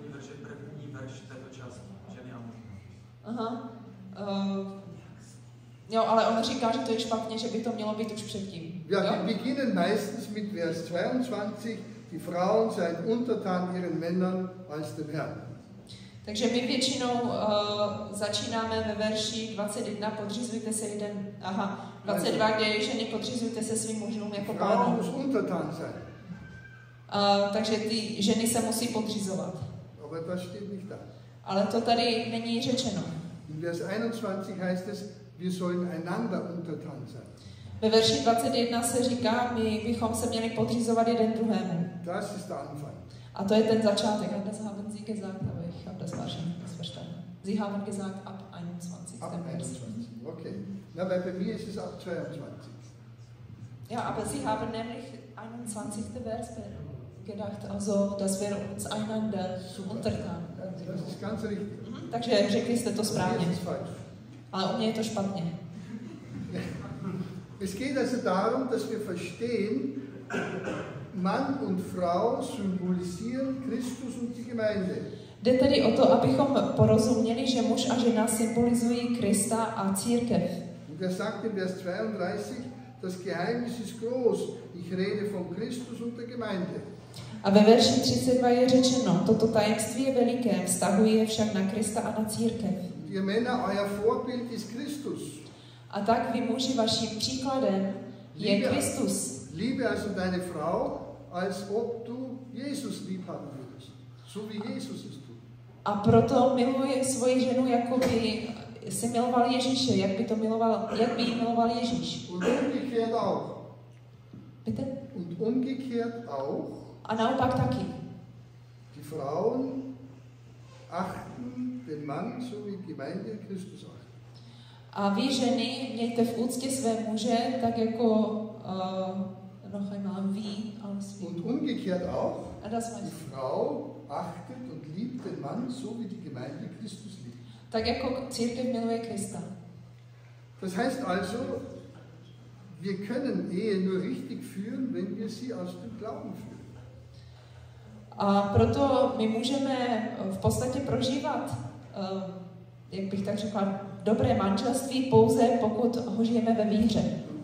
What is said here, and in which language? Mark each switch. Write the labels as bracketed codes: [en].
[cs] verš je první verš této části. Ženy a muži. Aha. Jo, ale on říká, že to je špatně, že by to mělo být už předtím. [de] Ja, wir beginnen meistens mit Vers 22, die Frauen seien untertan ihren Männern als dem Herrn. [cs] Takže my většinou začínáme ve verši 21, podřizujte se jeden, 22, kde je ženy, podřizujte se svým mužům jako pánům. [de] Frauen muss untertan sein. [cs] Takže ty ženy se musí podřizovat. [de] Aber das steht nicht da. [cs] Ale to tady není řečeno. [de] In Vers 21 heißt es, wir sollen einander untertan sein. [cs] Ve verši 21 se říká, my bychom se měli podřizovat jeden druhému. [de] Das ist der Anfang. [cs] A to je ten začátek. [de] Und das haben Sie gesagt, aber ich habe das wahrscheinlich verstanden. Sie haben gesagt ab 21. Ab 21, okay. Na, weil bei mir ist es ab 22. Ja, aber Sie haben nämlich 21. Vers gedacht, also dass wir uns einander untertan. Das ist ganz richtig. [cs] Takže řekli jste to správně. Ale u mě je to špatně. [de] Es geht also darum, dass wir verstehen, Mann und Frau symbolisieren Christus und die Gemeinde. [cs] Jde tedy o to, abychom porozuměli, že muž a žena symbolizují Krista a církev. [de] Und er sagt in Vers 32, das Geheimnis ist groß, ich rede von Christus und der Gemeinde. [cs] A ve verši 32 je řečeno, toto tajemství je veliké, vztahuje však na Krista a na církev. [de] Ihr Männer, euer Vorbild ist Christus. [cs] A tak vy muži, vaším příkladem je Kristus. [de] Liebe also deine Frau, als ob du Jesus lieb haben würdest, so wie Jesus es tut. [cs] A proto miluje svoji ženu, jako by se miloval Ježíše, jak by to miloval, jak by jí miloval Ježíš. [de] Und umgekehrt auch. Bitte? Und umgekehrt auch. [cs] A naopak taky. [de] Die Frauen achten den Mann, so wie die Gemeinde Christus auch. [cs] A vy ženy mějte v úctě své muže, tak jako [de] noch einmal wie als wie. Und umgekehrt auch. A das heißt, die Frau achtet und liebt den Mann so wie die Gemeinde Christus liebt. [cs] Tak jako církev miluje Krista. [de] Das heißt also, wir können Ehe nur richtig führen, wenn wir sie aus dem Glauben führen. [cs] A proto my můžeme v podstatě prožívat, jak bych tak řekla, dobré manželství pouze, pokud ho žijeme ve víře.